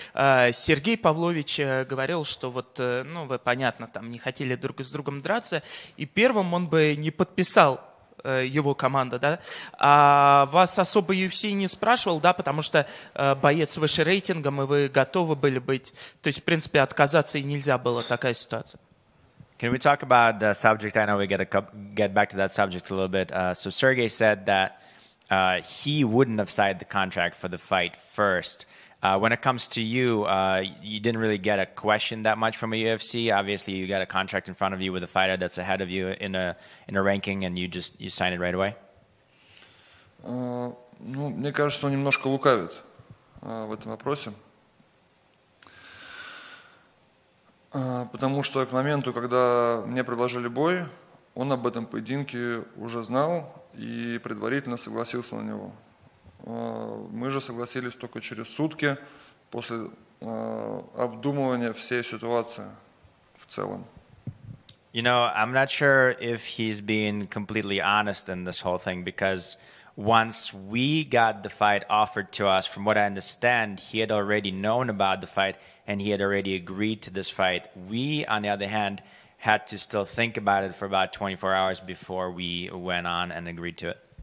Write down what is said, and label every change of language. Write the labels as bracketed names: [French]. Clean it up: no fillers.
[Russian] Сергей Павлович говорил, что вот, ну, вы, понятно, там не хотели друг с другом драться, и первым он бы не подписал его команда, да? А вас особо UFC не спрашивал, да, потому что боец выше рейтингом, и вы готовы были быть, то есть, в принципе, отказаться и нельзя было, такая ситуация. [English] Can we talk about the subject? I know we get back to that subject a little bit. So Sergey said that he wouldn't have signed the contract for the fight first. When it comes to you, you didn't really get a question that much from a UFC. Obviously, you got a contract in front of you with a fighter that's ahead of you in a ranking, and you signed it right away. [Russian] Ну, мне кажется, он немножко лукавит в этом вопросе. Потому что к моменту, когда мне предложили бой, он об этом поединке уже знал и предварительно согласился на него. Мы же согласились только через сутки после обдумывания всей ситуации в целом. [English] You know, I'm not sure if he's being completely honest in this whole thing, because once we got the fight offered to us, from what I understand, he had already known about the fight and he had already agreed to this fight. We, on the other hand, had to still think about it for about 24 hours before we went on and agreed to it.